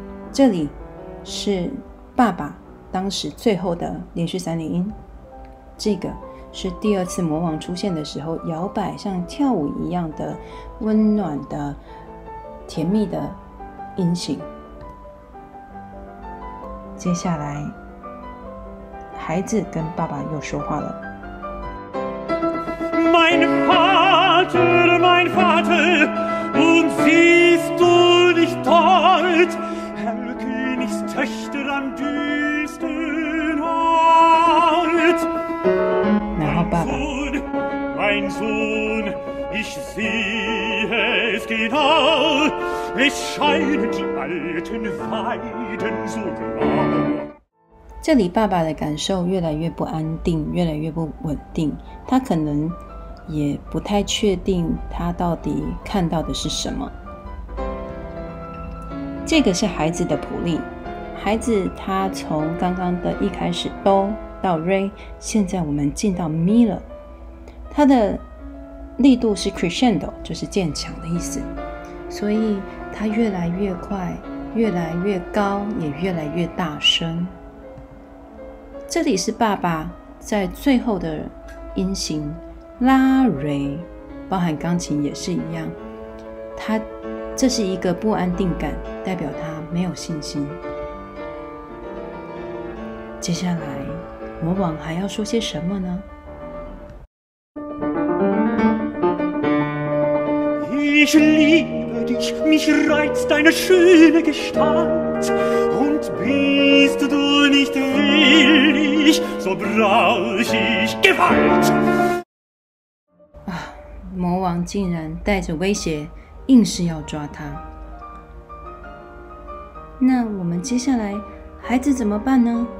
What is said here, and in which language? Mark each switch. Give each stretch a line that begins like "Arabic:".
Chinese: 这里是爸爸当时最后的连续三连音，这个是第二次魔王出现的时候摇摆像跳舞一样的温暖的甜蜜的音型。接下来孩子跟爸爸又说话了。
German: Mein Vater, mein Vater, und siehst du nicht dort Herr Königs Töchter am düsten Ort? Mein Sohn, ich sehe es genau Es scheinen die alten Weiden so grau。
Chinese: 这里爸爸的感受越来越不安定，越来越不稳定，他可能也不太确定他到底看到的是什么。这个是孩子的谱例，孩子他从刚刚的一开始哆到瑞，现在我们进到咪了，他的力度是 crescendo， 就是渐强的意思，所以他越来越快，越来越高，也越来越大声。这里是爸爸在最后的音型拉瑞，包含钢琴也是一样，他这是一个不安定感，代表他没有信心。接下来魔王还要说些什么呢？
German: Ich liebe dich, mich reizt deine schöne Gestalt Und bist du nicht willig, so brauch ich Gewalt。
Chinese: 啊，魔王竟然带着威胁，硬是要抓他。那我们接下来孩子怎么办呢？